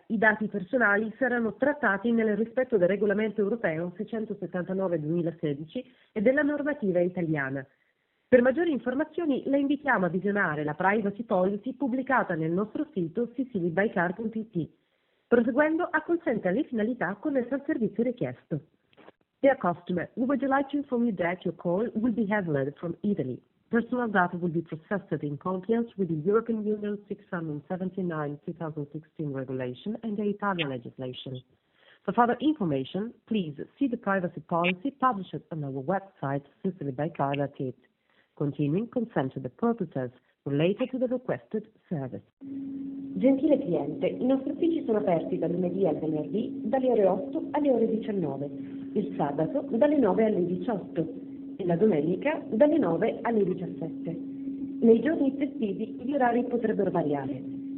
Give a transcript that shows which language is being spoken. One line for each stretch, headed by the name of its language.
Italian: I dati personali saranno trattati nel rispetto del regolamento europeo 679/2016 e della normativa italiana. Per maggiori informazioni, la invitiamo a visionare la privacy policy pubblicata nel nostro sito sicilybycar.it. Proseguendo, acconsente alle finalità connesse al servizio richiesto.
English: Dear customer, we would like to inform you that your call will be handled from Italy. Personal data will be processed in compliance with the European Union 679/2016 regulation and the Italian legislation. For further information, please see the privacy policy published on our website, sicilybycar.it, containing consent to the purposes related to the requested service.
Italian: Gentile cliente, i nostri uffici sono aperti da lunedì al venerdì, dalle ore 8 alle ore 19, il sabato dalle 9 alle 18. E la domenica dalle 9 alle 17. Nei giorni festivi gli orari potrebbero variare.